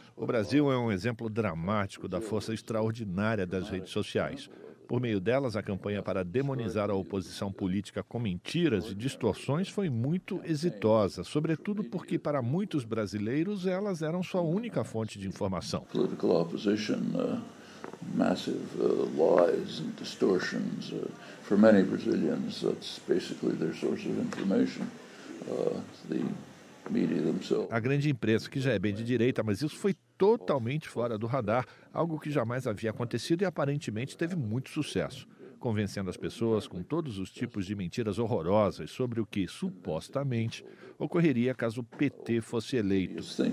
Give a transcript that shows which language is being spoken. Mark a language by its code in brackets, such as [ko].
[pt] O Brasil é um exemplo dramático da força extraordinária das redes sociais. Por meio delas, a campanha para demonizar a oposição política com mentiras e distorções foi muito exitosa, sobretudo porque, para muitos brasileiros, elas eram sua única fonte de informação. [en] Political opposition, massive lies and distortions. For many Brazilians, that's basically their source of information, the media themselves. [pt] A grande imprensa, que já é bem de direita, mas isso foi totalmente fora do radar, algo que jamais havia acontecido e aparentemente teve muito sucesso, convencendo as pessoas com todos os tipos de mentiras horrorosas sobre o que, supostamente, ocorreria caso o PT fosse eleito.